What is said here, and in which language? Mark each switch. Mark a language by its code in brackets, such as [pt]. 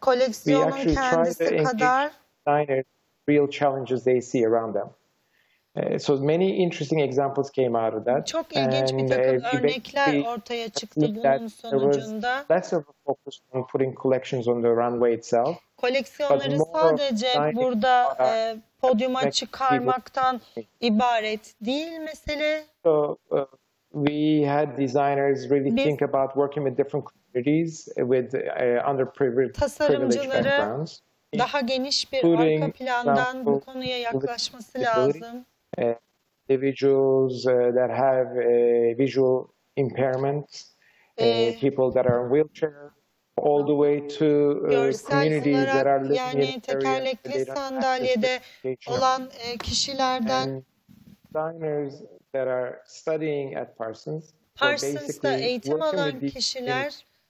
[tr] Koleksiyonun kendisi kadar [en] real challenges they see around them. So many interesting examples came out of that. [tr] Çok ilginç bir takım örnekler ortaya çıktı bunun sonucunda. [en] There was less of a focus on putting collections on the runway itself. [tr] Koleksiyonları sadece burada podyuma çıkarmaktan ibaret değil mesele. [en] So we had designers really think about working with different communities with underprivileged backgrounds. [tr] Daha geniş bir arka plandan bu konuya yaklaşması lazım. [en] Individuals that have visual impairments, people that are in wheelchair, all the way to communities that are living in [tr] yani tekerlekli sandalyede olan kişilerden [en] designers that are studying at Parsons. [tr] Parsons'ta eğitim alan kişiler